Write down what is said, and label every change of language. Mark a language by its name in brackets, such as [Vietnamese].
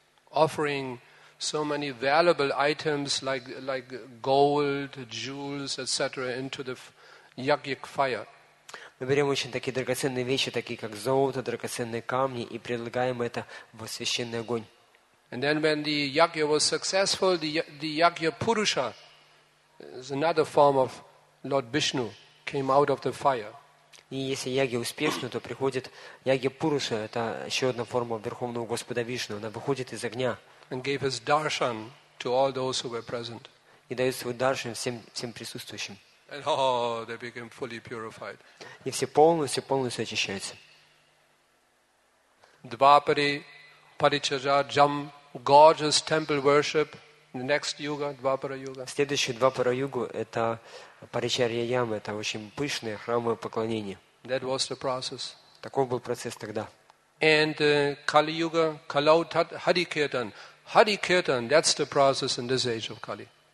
[English] Offering so many valuable items like gold, jewels, etc. into the yagyic fire. [Russian] Мы берем очень такие драгоценные вещи, такие как золото, драгоценные камни, и предлагаем это в священный огонь. [English] And then when the yagya was successful, the yagya purusha, it's another form of Lord Vishnu, came out of the fire. [Russian] И если яги успешны, то приходит яги Пуруша, это еще одна форма Верховного Господа Вишну, она выходит из огня. [English] And gave his darshan to all those who were present. [Russian] И дает свой даршан всем присутствующим. [English] And oh, they became fully purified. [Russian] И все полностью очищаются. [English] Двапари Паричаджа, Джам, gorgeous temple worship. The next yuga, Двапара Юга. [Russian] Следующий Двапара Югу это Паричарья Яма, это очень пышное храмовое поклонение. [English] That was the process. [Russian] Таков был процесс тогда. [English] And Kali Yuga, Kalau Hari Kirtan. Hari Kirtan, that's the process in this age of Kali.